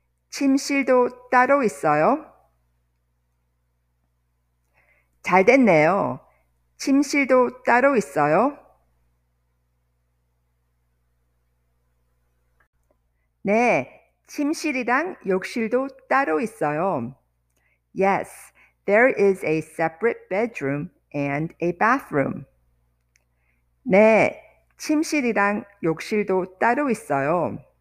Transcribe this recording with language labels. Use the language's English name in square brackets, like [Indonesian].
[Korean] 침실도 따로 있어요? 잘 됐네요. 침실도 따로 있어요? 네. 침실이랑 욕실도 따로 있어요. [English] Yes, there is a separate bedroom and a bathroom. [Korean] 네, 침실이랑 욕실도 따로 있어요.